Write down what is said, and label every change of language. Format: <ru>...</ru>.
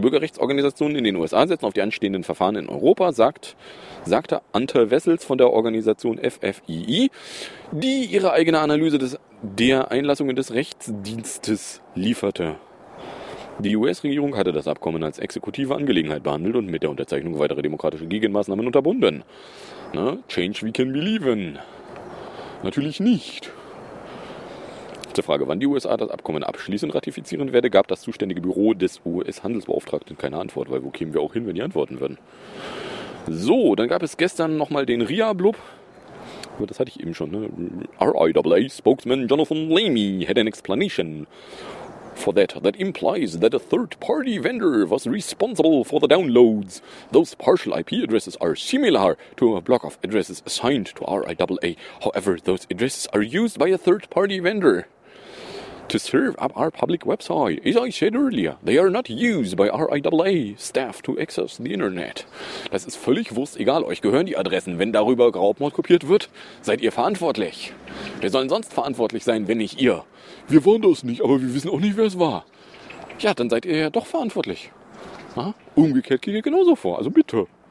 <de>Bürgerrechtsorganisationen in den USA setzen auf die anstehenden Verfahren in Europa, sagte Ante Wessels von der Organisation FFII, die ihre eigene Analyse der Einlassungen des Rechtsdienstes lieferte. Die US-Regierung hatte das Abkommen als exekutive Angelegenheit behandelt und mit der Unterzeichnung weitere demokratische Gegenmaßnahmen unterbunden.</de> <en>Na, change we can believe in.</en> <de>Natürlich nicht. Zur Frage, wann die USA das Abkommen abschließend ratifizieren werde, gab das zuständige Büro des US-Handelsbeauftragten keine Antwort, weil wo kämen wir auch hin, wenn die antworten würden? So, dann gab es gestern nochmal den RIA-Blub. Aber das hatte ich eben schon, ne?</de> <en>RIAA-Spokesman Jonathan Lamy had an explanation for that. That implies that a third-party vendor was responsible for the downloads. Those partial IP addresses are similar to a block of addresses assigned to RIAA. However, those addresses are used by a third-party vendor to serve up our public website. As I said earlier, they are not used by RIAA staff to access the internet.</en> <de>Das ist völlig wurscht egal, euch gehören die Adressen. Wenn darüber Raubmord kopiert wird, seid ihr verantwortlich. Wer sollen sonst verantwortlich sein, wenn nicht ihr? Wir wollen das nicht, aber wir wissen auch nicht, wer es war. Ja, dann seid ihr ja doch verantwortlich. Aha. Umgekehrt geht ihr genauso vor, also bitte.</de>